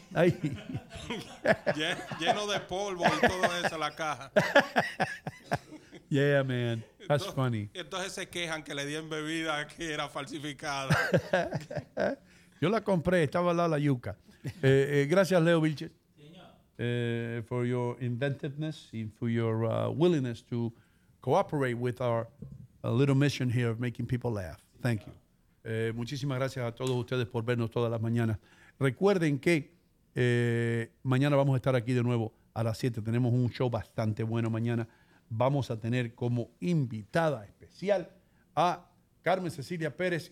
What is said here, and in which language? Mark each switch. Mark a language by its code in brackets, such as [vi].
[es] Ahí. Lleno de polvo y todo eso, la caja. [en] Yeah, man. That's funny. [es] Entonces se quejan que le dieron bebida que era falsificada. Yo la compré, estaba al lado de la yuca. Gracias, Leo Vilches. [en] For your inventiveness and for your willingness to cooperate with our little mission here of making people laugh. Thank you. [es] Muchísimas gracias a todos ustedes por vernos todas las mañanas. Recuerden que mañana vamos a estar aquí de nuevo a las 7. Tenemos un show bastante bueno mañana. Vamos a tener como invitada especial a Carmen Cecilia Pérez.